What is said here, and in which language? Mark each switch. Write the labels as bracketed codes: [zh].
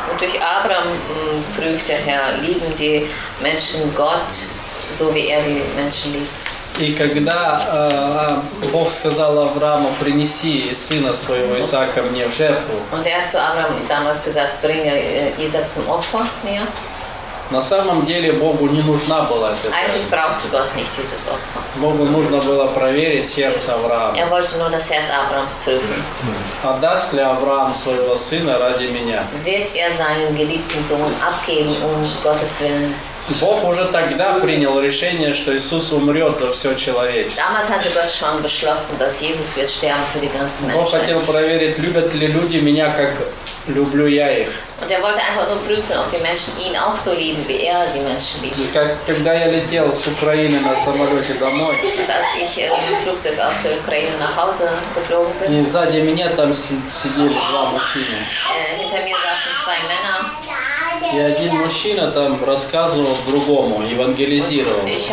[de] Und durch Abraham prüft der Herr, lieben die Menschen Gott, so wie er die Menschen liebt. [ru] И когда Бог сказал Аврааму, принеси сына своего Исаака мне в жертву. [de] Und er hat zu Abraham damals gesagt, bringe Isaac zum Opfer mir. [ru] На самом деле Богу не нужна была эта жертва. Богу нужно было проверить сердце Авраама. [de] Er wollte nur das Herz Abrahams prüfen. [ru] Отдаст ли Авраам своего сына ради меня? [de] Wird er seinen geliebten Sohn abgeben um Gottes willen? [ru] Бог уже тогда принял решение, что Иисус умрет за все человечество. [de] Damals hatte Gott schon beschlossen, dass Jesus wird sterben für die ganze Menschheit. [ru] Бог хотел проверить, любят ли люди меня, как люблю я их. [de] Und er wollte einfach nur prüfen, ob die Menschen ihn auch so lieben, wie er die Menschen liebt. [ru] Когда я летел с Украины на самолете домой, [de] als ich im Flugzeug aus der Ukraine nach Hause geflogen bin, [ru] и сзади меня там сидели два мужчины. [de] Hinter mir saßen zwei Männer. [ru] И один мужчина там рассказывал другому, евангелизировал.